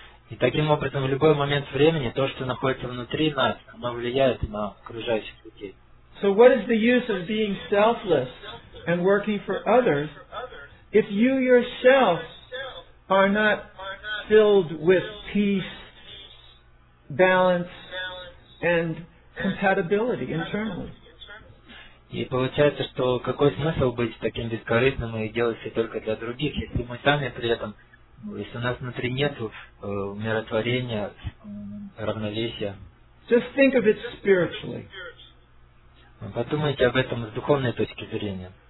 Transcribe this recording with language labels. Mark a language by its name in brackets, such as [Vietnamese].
[Russian] И таким образом, в любой момент времени, то, что находится внутри нас, оно влияет на окружающих людей. [English] So what is the use of being selfless and working for others if you yourself are not filled with peace, balance, and compatibility internally? [Russian] И получается, что какой смысл быть таким бескорыстным и делать все только для других, если мы сами при этом, если у нас внутри нет умиротворения, равновесия. [English] Just think of it spiritually. [Russian] Подумайте об этом с духовной точки зрения.